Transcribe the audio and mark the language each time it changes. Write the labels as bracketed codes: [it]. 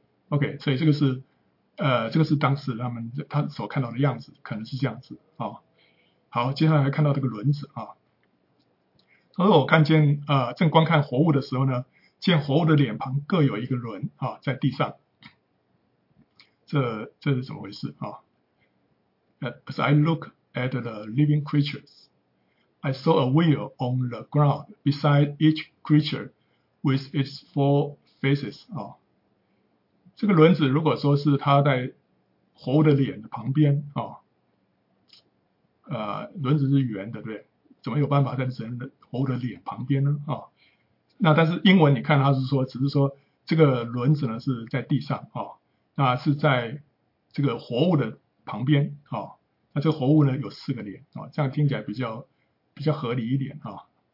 [zh] OK， 所以这个是当时他所看到的样子，可能是这样子啊。好，接下来看到这个轮子啊。他说我看见正观看活物的时候呢，见活物的脸旁各有一个轮啊，在地上。这是怎么回事啊 [en] ？As I look at the living creatures, I saw a wheel on the ground beside each creature with its four faces 啊。 [zh] 这个轮子如果说是它在活物的脸的旁边啊。轮子是圆的，对，怎么有办法在人的活物的脸旁边呢？啊，那但是英文你看它是说，只是说这个轮子呢是在地上啊，那是在这个活物的旁边啊，那这个活物呢有四个脸啊，这样听起来比较合理一点啊。